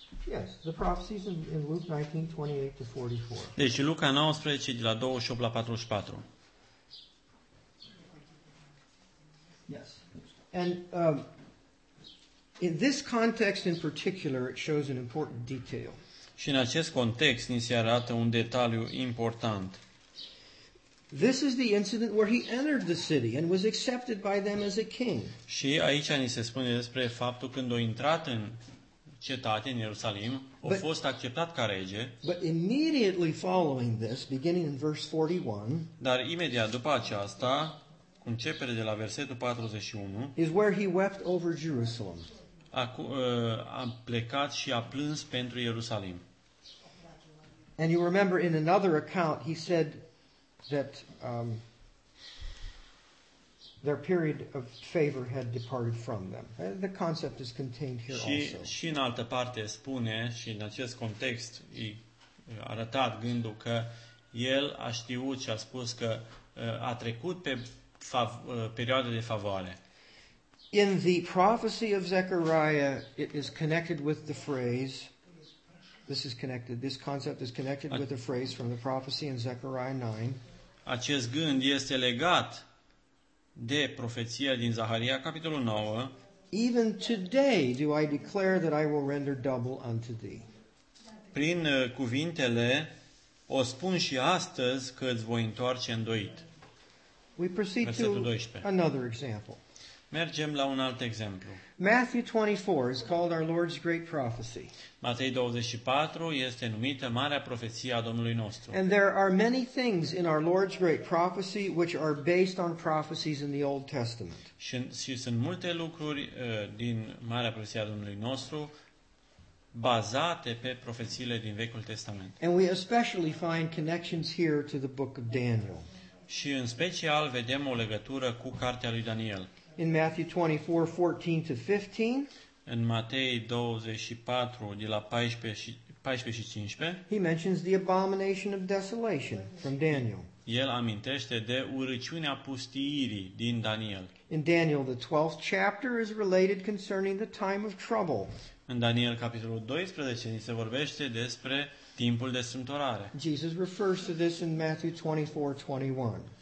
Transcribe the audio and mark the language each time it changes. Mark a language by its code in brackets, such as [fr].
[en] Yes, the prophecies in Luke 19, 28 to 44. [ro] Deci Luca 19, de la 28 la 44. [en] Yes. And in this context in particular, it shows an important detail. [ro] Și în acest context ni se arată un detaliu important. [en] This is the incident where he entered the city and was accepted by them as a king. [ro] Și aici ni se spune despre faptul când a intrat în cetate, în Ierusalim, a fost acceptat ca rege. [en] But immediately following this, beginning in verse 41, [ro] dar imediat după aceasta, începere de la versetul 41, [en] is where he wept over Jerusalem. [ro] A plecat și a plâns pentru Ierusalim. [en] And you remember in another account he said that their period of favor had departed from them. The concept is contained here [ro] și, [en] also. [ro] Și în altă parte spune, și în acest context i arătat gândul că el a știut și a spus că a trecut pe perioada de favoare. [en] In the prophecy of Zechariah, it is connected with the phrase. This is connected. This concept is connected with the phrase from the prophecy in Zechariah 9. [ro] Acest gând este legat de profeția din Zaharia capitolul 9. [en] Even today do I declare that I will render double unto thee. [ro] Prin cuvintele o spun și astăzi că îți voi întoarce îndoit. [en] We proceed to another example. [ro] Mergem la un alt exemplu. [en] Matthew 24 is called our Lord's great prophecy. [ro] Matei 24 este numită marea profeție a Domnului nostru. [en] And there are many things in our Lord's great prophecy which are based on prophecies in the Old Testament. [ro] Și sunt multe lucruri din marea profeție a Domnului nostru bazate pe profețiile din Vechiul Testament. [en] And we especially find connections here to the book of Daniel. [ro] Și în special vedem o legătură cu cartea lui Daniel. [en] In Matthew 24, 14 to 15, [ro] în Matei 24, de la 14 și 15, [en] he mentions the abomination of desolation from Daniel. [ro] El amintește de urăciunea pustiirii din Daniel. [en] In Daniel, the 12th chapter is related concerning the time of trouble. [ro] În Daniel, capitolul 12, ni se vorbește despre timpul de strâmtorare. [en] Jesus refers to this in Matthew 24, 21.